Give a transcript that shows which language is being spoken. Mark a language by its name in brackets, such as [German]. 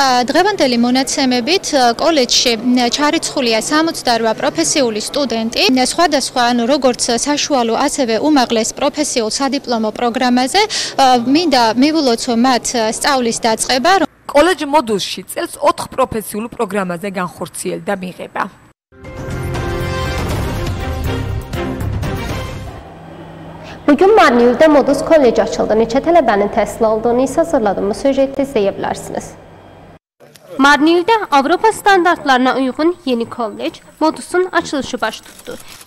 [Georgian] დღევანდელი მონაცემებით კოლეჯში ჩარიცხულია 68 პროფესიული სტუდენტი სხვადასხვა, ანუ როგორც საშუალო, ასევე უმაღლეს პროფესიულ სადიპლომო პროგრამაზე. მინდა მივულოცო მათ სწავლის დაწყება. კოლეჯი მოდულში წელს 4 პროფესიულ პროგრამაზე განხორციელდა მიღება. [Azerbaijani] Bugün Marnevul'da Modus Kolej açıldı. Neçə tələbənin təhsil aldığını isə hazırladığımız süjeti izləyə bilərsiniz. Marnevul'da Avropa standartlarına uyğun yeni kolej Modus'un açılışı baş tutdu.